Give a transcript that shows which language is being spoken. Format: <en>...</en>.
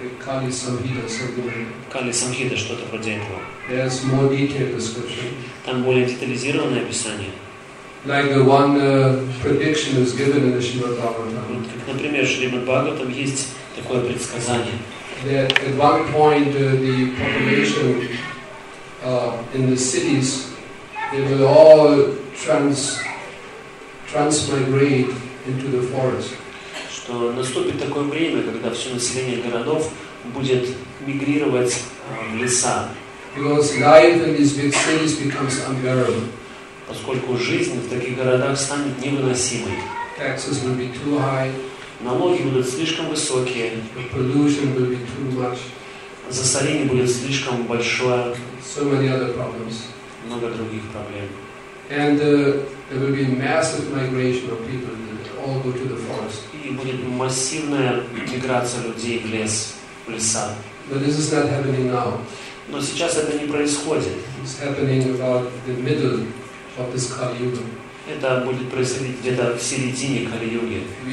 <en>Кали Самхита, something.</en> <ru>Кали Самхита, что-то вроде этого.</ru> <en>There's more detailed description.</en> <ru>Там более детализированное описание.</ru> <en>Like the one prediction is given in the Shrimad Bhagavatam.</en> <ru>Например, в Шримад Бхагаватам есть такое предсказание.</ru> <en>That at one point the population in the cities, they will all transmigrate into the forest.</en> <ru>Что наступит такое время, когда все население городов будет мигрировать в леса.</ru> <en>Because life in these big cities becomes unbearable.</en> <ru>Поскольку жизнь в таких городах станет невыносимой.</ru> <en>Taxes will be too high.</en> <ru>Налоги будут слишком высокие.</ru> <en>Pollution will be too much.</en> <ru>Засорение будет слишком большое.</ru> <en>So many other problems.</en> <ru>Много других проблем.</ru> <en>And there will be massive migration of people that all go to the forest.</en> <ru>И будет массивная миграция людей в лес, в леса.</ru> <en>But this is not happening now.</en> <ru>Но сейчас это не происходит.</ru> <en>It's happening about the middle of this Kali Yuga.</en> <ru>Это будет происходить где-то в середине Кали-Юги.</ru>